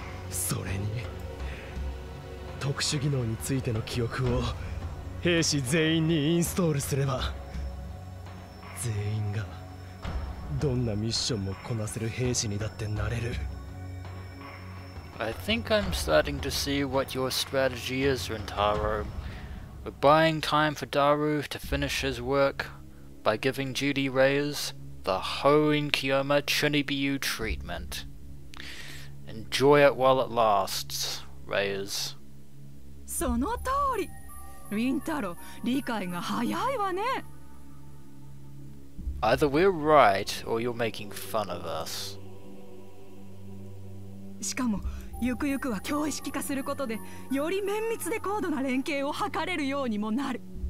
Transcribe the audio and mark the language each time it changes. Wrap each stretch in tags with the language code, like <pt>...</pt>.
<ja>それに特殊技能についての記憶を兵士全員にインストールすれば全員がどんなミッションもこなせる兵士にだってなれる。</ja> <en>I think I'm starting to see what your strategy is, Rintaro. We're buying time for Daru to finish his work by giving Judy Reyes. The Hoenn Kiyoma Chunibyu treatment. Enjoy it while it lasts, Reyes.</en> <ja>その通り。リンタロ、理解が早いわね。</ja> <en>Either we're right, or you're making fun of us.</en> <ja>しかも、ゆくゆくは共意識化することで、より綿密で高度な連携を図れるようにもなる。</ja>